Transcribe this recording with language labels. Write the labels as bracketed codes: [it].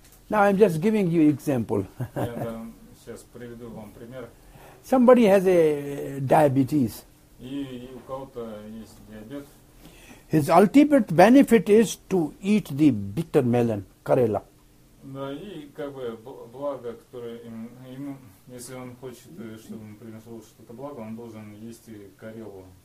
[en] Now I'm just giving you example. [ru] Я сейчас приведу вам пример. [en] Somebody has a diabetes. [ru] И у кого-то есть диабет. [en] His ultimate benefit is to eat the bitter melon, Karela. [ru] Да, и как бы благо, которое ему... Если он хочет, чтобы ему принесло что-то благо, он должен есть карелу.